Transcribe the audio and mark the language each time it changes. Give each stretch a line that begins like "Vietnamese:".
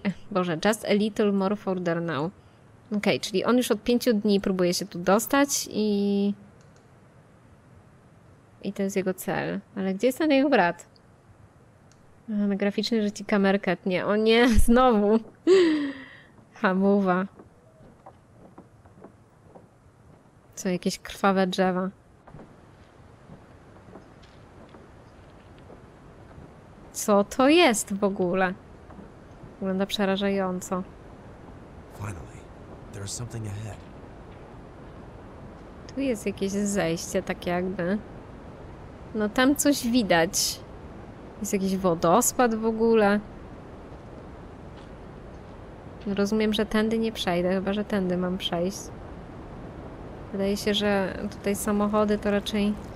English: Boże, just a little more for there now.
Polish: Okej, czyli on już od 5 dni próbuje się tu dostać i... I to jest jego cel. Ale gdzie jest ten jego brat? Na graficzny, że ci kamerkę tnie. O nie, znowu! Hamuwa. Co, jakieś krwawe drzewa. Co to jest w ogóle? Wygląda przerażająco.
English: Finally, there is something ahead.
Polish: Tu jest jakieś zejście, tak jakby. No tam coś widać. Jest jakiś wodospad w ogóle. No, rozumiem, że tędy nie przejdę, chyba że tędy mam przejść. Wydaje się, że tutaj samochody to raczej...